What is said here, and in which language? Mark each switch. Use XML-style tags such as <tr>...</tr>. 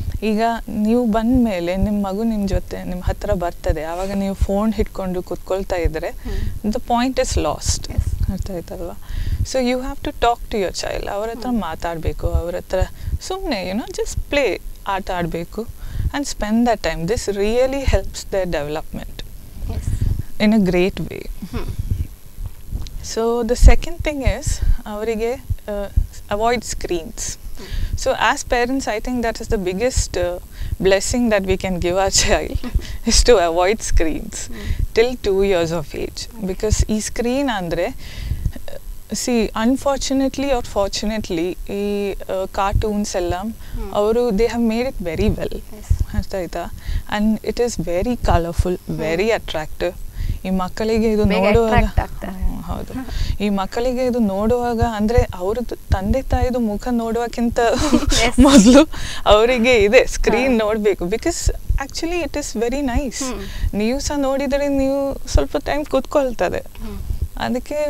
<kn>ಈಗ ನೀವು ಬಂದಮೇಲೆ ನಿಮ್ಮ ಮಗು ನಿಮ್ಮ ಜೊತೆ ನಿಮ್ಮ ಹತ್ರ ಬರ್ತದೆ, ಆವಾಗ ನೀವು ಫೋನ್ ಹಿಡ್ಕೊಂಡು ಕೂತ್ಕೊಳ್ತಾ ಇದ್ದರೆ</kn> <en>the point is lost,</en> <kn>ಅರ್ಥ ಆಯ್ತಲ್ವಾ?</kn> <en>so you have to talk to your child,</en> <kn>ಅವ್ರ ಹತ್ರ ಮಾತಾಡಬೇಕು, ಅವ್ರ ಹತ್ರ ಸುಮ್ಮನೆ</kn> <en>you know just play</en> <kn>ಆಟ ಆಡಬೇಕು</kn> <en>and spend that time. This really helps their development. Yes. In a great way. Hmm. So the second thing is avarige avoid screens. Hmm. So as parents, I think that is the biggest blessing that we can give our child is to avoid screens. Hmm. Till 2 years of age. Hmm. Because</en> <kn>ee screen andre</kn> <en>see, unfortunately or fortunately,</en> <kn>ee cartoons ellam avaru</kn> <en>they have made it very well.</en> <kn>ಅರ್ಥಾಯ್ತಾ?</kn> <en>And it is very colourful, very attractive.</en> <kn>ಈ ಮಕ್ಕಳಿಗೆ ಇದು ನೋಡುವಾಗ ಹೌದು, ಈ ಮಕ್ಕಳಿಗೆ ಇದು ನೋಡುವಾಗ ಅಂದರೆ ಅವ್ರದ್ದು ತಂದೆ ತಾಯಿದು ಮುಖ ನೋಡುವಕ್ಕಿಂತ ಮೊದಲು ಅವರಿಗೆ ಇದೆ ಸ್ಕ್ರೀನ್ ನೋಡಬೇಕು.</kn> <en>because actually it is very nice,</en> <kn>ನೀವು ಸಹ ನೋಡಿದರೆ ನೀವು ಸ್ವಲ್ಪ ಟೈಮ್ ಕೂತ್ಕೊಳ್ತದೆ ಅದಕ್ಕೆ.</kn>